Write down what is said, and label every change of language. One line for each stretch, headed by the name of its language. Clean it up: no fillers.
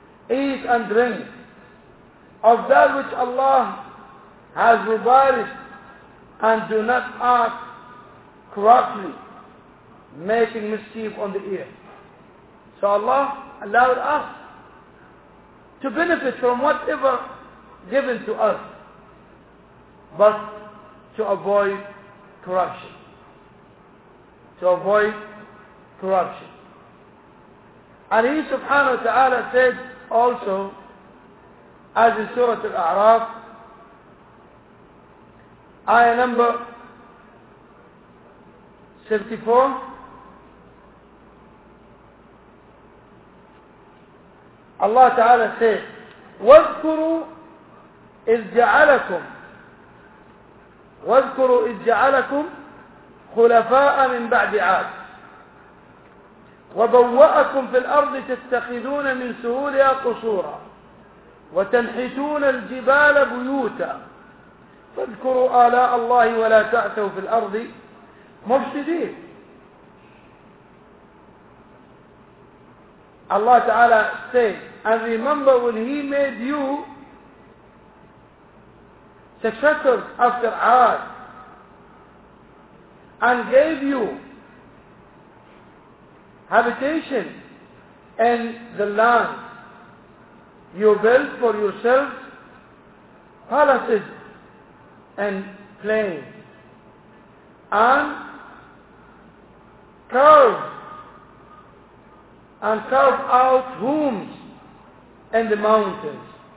English: Eat and drink of that which Allah has revised, and do not act corruptly, making mischief on the ear. So Allah allowed us to benefit from whatever given to us, but to avoid corruption. To avoid corruption. And He subhanahu wa ta'ala said also, as in Surah Al-A'raf, ayah number 74, Allah Ta'ala said,
Arabic: وَاذْكُرُوا إِذْ جَعَلَكُمْ وَاذْكُرُوا إِذْ جَعَلَكُمْ خُلَفَاءَ مِنْ بَعْدِ عَادٍ وَبَوَّأَكُمْ فِي الْأَرْضِ تَتَّخِذُونَ مِنْ سُهُولِهَا قُصُورًا وَتَنْحِتُونَ الْجِبَالَ بُيُوتًا فَاذْكُرُوا آلَاءَ اللَّهِ وَلَا تَعْثَوْا فِي الْأَرْضِ مُفْسِدِينَ.
English: Allah Ta'ala said, and remember when He made you successors after Aad and gave you habitation in the land, you built for yourselves palaces and plains and caves and carve out homes in the mountains.